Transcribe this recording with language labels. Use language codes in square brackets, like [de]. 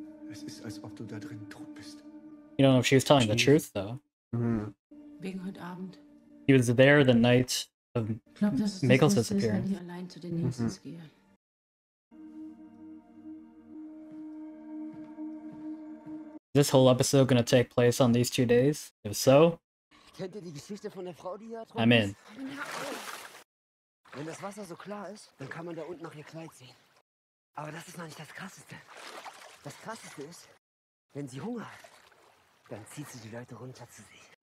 [de] Es ist, als ob du da drin tot bist. [en] You don't know if she was telling the truth, though. Mm-hmm. [de] Wegen heute Abend. [en] He was there the night... of Mikkel's disappearance. Mm-hmm. Is this whole episode gonna take place on these 2 days? If so, I'm in. [de] Wenn das Wasser so klar ist, dann kann man da unten noch ihr Kleid sehen. Aber das ist noch nicht das Krasseste. Das Krasseste ist, wenn sie Hunger hat, dann zieht sie die Leute runter zu sich.